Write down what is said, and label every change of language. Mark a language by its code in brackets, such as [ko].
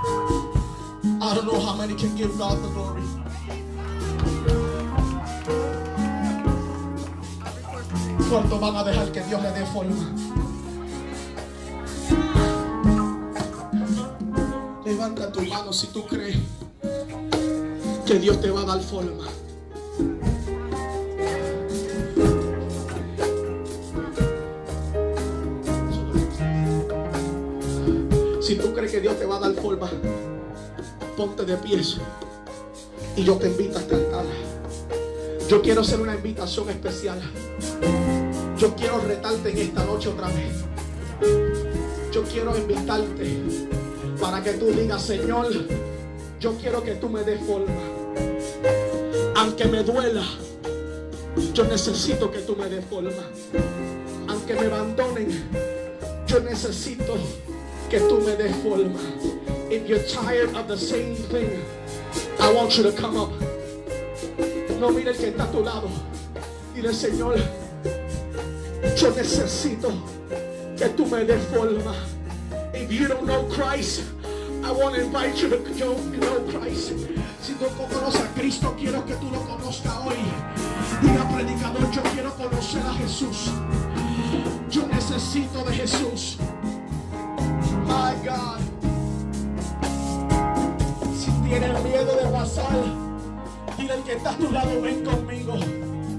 [en] I don't know how many can give God the glory. [es] cuánto van a dejar que Dios le dé forma. Levanta tu mano si tú crees que Dios te va a dar forma. Si tú crees que Dios te va a dar forma, ponte de pie y yo te invito a cantar. Yo quiero hacer una invitación especial. Yo quiero retarte en esta noche otra vez. Yo quiero invitarte para que tú digas: Señor, yo quiero que tú me des forma. Aunque me duela, yo necesito que tú me des forma. Aunque me abandonen, yo necesito que tú me des forma. [en] If you're tired of the same thing, I want you to come up. [es] No mire el que está a tu lado. Dile: Señor, yo necesito que tú me des forma. [en] If you don't know Christ, I want to invite you to know Christ. [es] Si tú no conoces a Cristo, quiero que tú lo conozcas hoy. Diga: predicador, yo quiero conocer a Jesús. Yo necesito de Jesús. My God. Si tienes miedo de pasar, dile al que está a tu lado: ven conmigo.